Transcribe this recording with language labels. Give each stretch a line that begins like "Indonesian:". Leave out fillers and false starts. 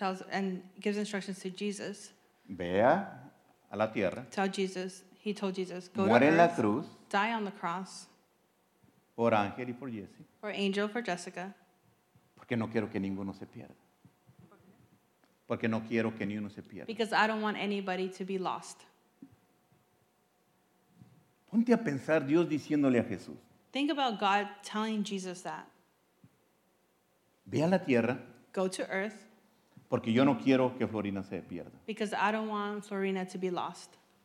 English: And gives instructions to Jesus.
Spanish: Vea a la tierra.
English: Tell Jesus. He told Jesus. Go
Spanish: muere
English: to
Spanish: en la cruz.
English: Die on the cross.
Spanish: Por Ángel y por Jesse.
English: For Angel, for Jessica.
Spanish: Porque no quiero que ninguno se pierda. Porque no quiero que ni uno se pierda.
English: Because I don't want anybody to be lost.
Spanish: Ponte a pensar Dios diciéndole a Jesús.
English: Think about God telling Jesus that.
Spanish: Ve a la tierra.
English: Go to earth.
Spanish: Porque yo no quiero que Florina se pierda.
English: Because I don't want Florina to be lost.